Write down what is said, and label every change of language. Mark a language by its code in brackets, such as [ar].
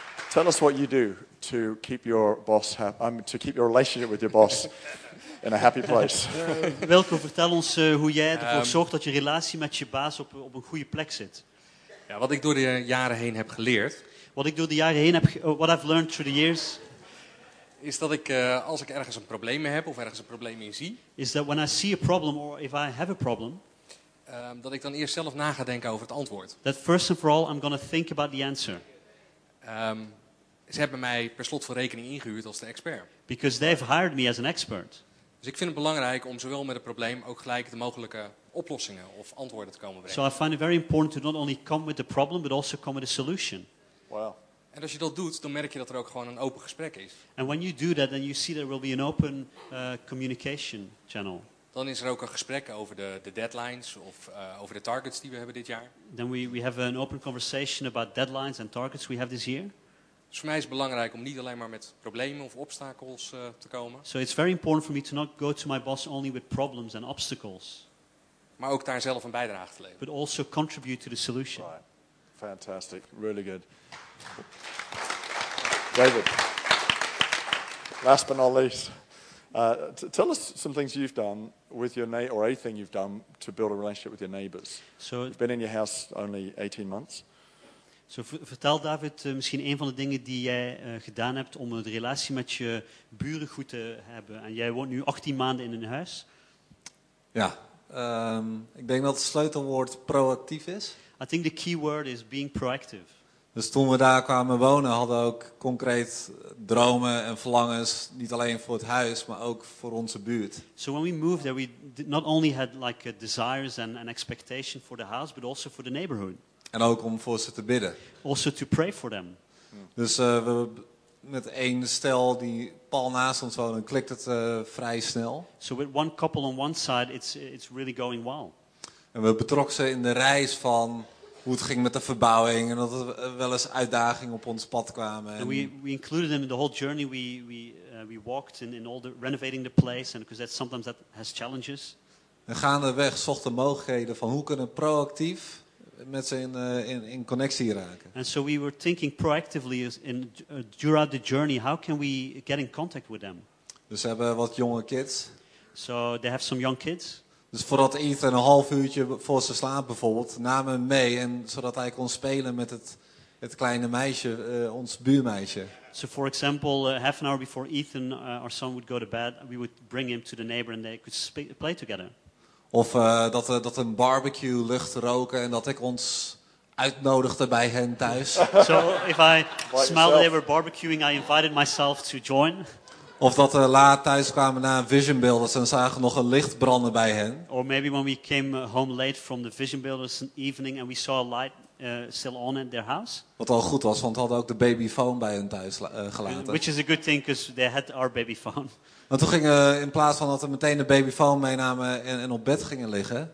[en] Tell us what you do to keep your boss happy. To keep your relationship with your boss. In a happy place. [nl] Wilco, vertel ons hoe jij ervoor zorgt dat je relatie met je baas op een goede plek zit. Ja, wat ik door de jaren heen heb geleerd. [en] What I've learned through the years. [nl] Is dat ik als ik ergens een probleem mee heb of ergens een probleem in zie. [en] Is that when I see a problem or if I have a problem. [nl] Dat ik dan eerst zelf na ga denken over het antwoord. [en] That first and for all I'm going to think about the answer. [nl] Ze hebben mij per slot van rekening ingehuurd als de expert. [en] Because they've hired me as an expert. [nl] Dus ik vind het belangrijk om zowel met het probleem ook gelijk de mogelijke oplossingen of antwoorden te komen brengen. [en] So I find it very important to not only come with the problem, but also come with a solution. Wow. [nl] En als je dat doet, dan merk je dat er ook gewoon een open gesprek is. [en] And when you do that, then you see there will be an open communication channel. [nl] Dan is er ook een gesprek over de deadlines of over de targets die we hebben dit jaar. [en] Then we have an open conversation about deadlines and targets we have this year. [nl] Dus voor mij is het belangrijk om niet alleen maar met problemen of obstakels te komen. [en] So it's very important for me to not go to my boss only with problems and obstacles. [nl] Maar ook daar zelf een bijdrage te leveren. [en] But also contribute to the solution. Right. Fantastic. Really good. David. Last but not least. Tell us some things you've done with your neighbor, or anything you've done to build a relationship with your neighbors. So you've been in your house only 18 months. [nl] So, vertel David misschien een van de dingen die jij gedaan hebt om de relatie met je buren goed te hebben. En jij woont nu 18 maanden in een huis. Ja, ik denk dat het sleutelwoord proactief is. [en] I think the key word is being proactive. [nl] Dus toen we daar kwamen wonen, hadden we ook concreet dromen en verlangens, niet alleen voor het huis, maar ook voor onze buurt. [en] So when we moved there, we not only had like desires and expectation for the house, but also for the neighborhood. [nl] En ook om voor ze te bidden. [en] Also to pray for them. [nl] Dus we met één stel die pal naast ons wonen, klikt het vrij snel. [en] So with one couple on one side, it's really going well. [nl] En we betrokken ze in de reis van hoe het ging met de verbouwing en dat er wel eens uitdagingen op ons pad kwamen. [en] And we included them in the whole journey. We walked in all the renovating the place, and because that sometimes that has challenges. [nl] En gaandeweg zochten mogelijkheden van hoe kunnen proactief met ze in connectie raken. [en] And so we were thinking proactively throughout the journey, how can we get in contact with them? [nl] Dus ze hebben wat jonge kids. [en] So they have some young kids. [nl] Dus voordat Ethan een half uurtje voor ze slaapt bijvoorbeeld, namen hem mee en zodat hij kon spelen met het kleine meisje, ons buurmeisje. [en] So for example, half an hour before Ethan, our son would go to bed, we would bring him to the neighbor and they could play together. [nl] Of dat een barbecue lucht roken en dat ik ons uitnodigde bij hen thuis. [en] So if I smiled they were barbecuing, I invited myself to join. [nl] Of dat we laat thuis kwamen na een vision builders en zagen nog een licht branden bij hen. [en] Or maybe when we came home late from the vision builders in the evening and we saw a light still on in their house. [nl] Wat al goed was, want we hadden ook de babyphone bij hen thuis gelaten. [en] Which is a good thing because they had our babyphone. [nl] Maar toen gingen in plaats van dat we meteen de babyfoon meenamen en op bed gingen liggen.